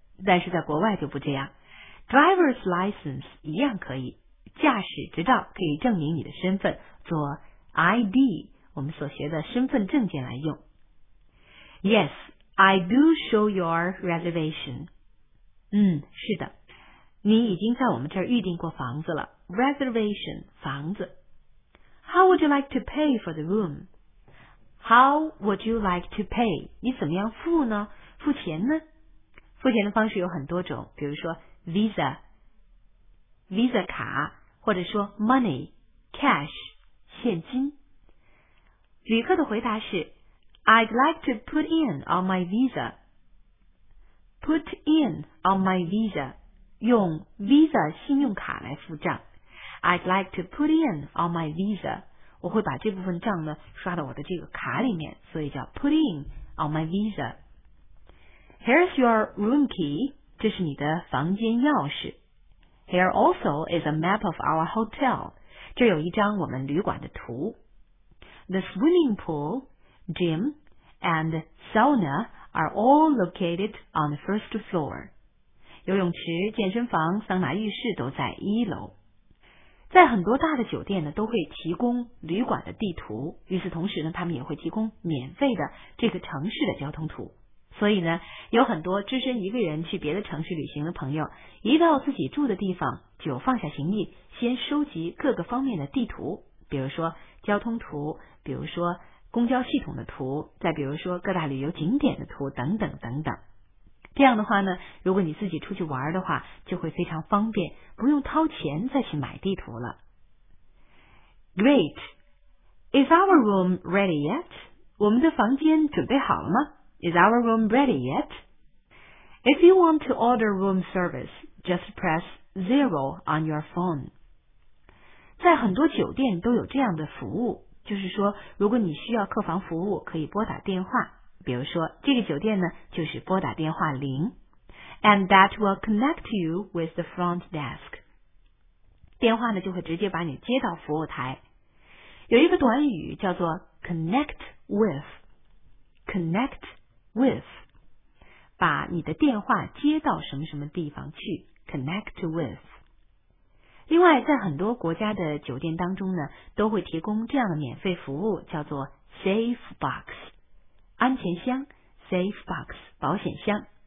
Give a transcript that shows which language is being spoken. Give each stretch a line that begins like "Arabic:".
Chinese: 但是在国外就不这样 Driver's license 一样可以，驾驶执照可以证明你的身份，做 ID 我们所学的身份证件来用。
English: Yes, I do show your reservation.
Chinese: 嗯，是的，你已经在我们这儿预定过房子了。 Reservation, 房子。
English: How would you like to pay for the room? How would you like to pay? 你怎么样付呢？付钱呢？
Chinese: 付钱的方式有很多种，比如说 Visa 卡，或者说 Money Cash 现金。
English: 旅客的回答是 I'd like to put in on my Visa. Put in on my Visa 用 Visa 信用卡来付账。 I'd like to put in on my Visa 我会把这部分账呢刷到我的这个卡里面，所以叫 put in on my Visa. Here's your room key. 这是你的房间钥匙。 Here also is a map of our hotel.
Chinese: 这有一张我们旅馆的图。
English: The swimming pool, gym, and sauna are all located on the first floor.
Chinese: 游泳池、健身房、桑拿浴室都在一楼。在很多大的酒店呢，都会提供旅馆的地图。与此同时呢，他们也会提供免费的这个城市的交通图。所以呢，有很多只身一个人去别的城市旅行的朋友，一到自己住的地方，就放下行李，先收集各个方面的地图，比如说交通图，比如说公交系统的图，再比如说各大旅游景点的图，等等等等。这样的话呢，如果你自己出去玩的话，就会非常方便，不用掏钱再去买地图了。
English: Great! Is our room ready yet?
Chinese: 我们的房间准备好了吗？
English: Is our room ready yet? If you want to order room service, just press 0 on your phone.
Chinese: 在很多酒店都有这样的服务，就是说如果你需要客房服务，可以拨打电话。比如说这个酒店呢，就是拨打电话0。
English: And that will connect you with the front desk.
Chinese: 电话呢就会直接把你接到服务台。有一个短语叫做 connect with。Connect with, 把你的电话接到什么什么地方去 connect with. 另外在很多国家的酒店当中呢，都会提供这样的免费服务，叫做 safe box， 安全箱， safe box， 保险箱。